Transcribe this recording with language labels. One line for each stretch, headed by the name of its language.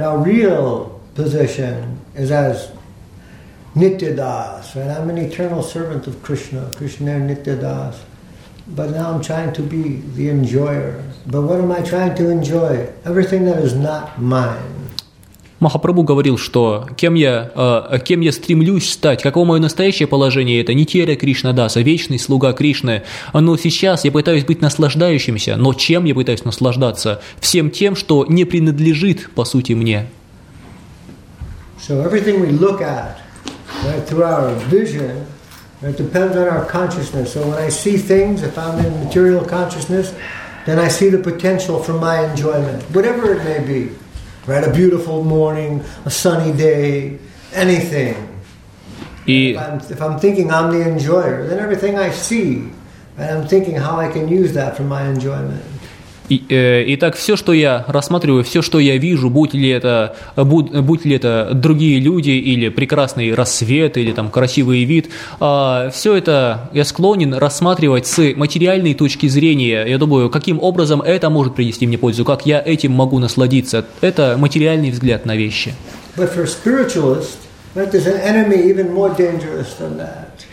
English: Our real position is as Nitya Das, right? I'm an eternal servant of Krishna, Krishna Nitya Das. But now I'm trying to be the enjoyer. But what am I trying to enjoy? Everything that is not mine.
Russian: Махапрабху говорил, что кем я стремлюсь стать, каково мое настоящее положение, это Нитья Кришна Даса, вечный слуга Кришны. Но сейчас я пытаюсь быть наслаждающимся. Но чем я пытаюсь наслаждаться? Всем тем, что не принадлежит, по сути, мне.
English: So everything we look at, right, through our vision, right, depends on our consciousness. So when I see things, if I'm in material consciousness, then I see the potential for my enjoyment, whatever it may be, right, a beautiful morning, a sunny day, anything. If I'm thinking I'm the enjoyer, then everything I see, right, I'm thinking how I can use that for my enjoyment.
Russian: Итак, все, что я рассматриваю, все, что я вижу, будь ли это другие люди, или прекрасный рассвет, или там красивый вид, все это я склонен рассматривать с материальной точки зрения. Я думаю, каким образом это может принести мне пользу, как я этим могу насладиться. Это материальный взгляд на вещи.
English: But for spiritualist, that is an enemy even more dangerous than that.